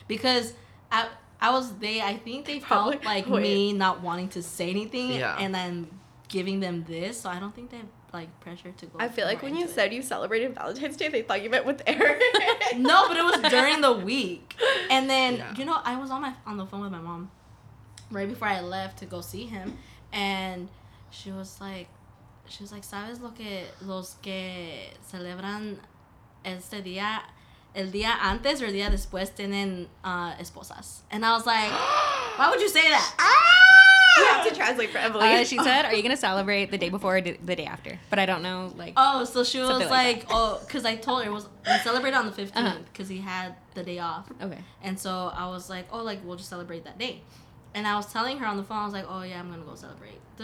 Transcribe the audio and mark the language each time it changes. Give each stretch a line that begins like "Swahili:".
English: Because I think they probably felt like me not wanting to say anything and then giving them this. So I don't think they've, like, pressure to go. I feel like when you said you celebrated Valentine's Day, they thought you met with Eric. No, but it was during the week. And then, you know, I was on the phone with my mom right before I left to go see him. And she was like,
Spanish: ¿sabes lo que los que celebran este día, el día antes o el día después tienen esposas?
English: And I was like, why would you say that? You have to translate for Emily. She said, are you going to celebrate the day before or the day after? But I don't know, like... Oh, so she was like oh, because I told her, we celebrate on the 15th, because he had the day off. Okay. And so I was like, oh, like, we'll just celebrate that day. And I was telling her on the phone, I was like, oh, yeah, I'm going to go celebrate.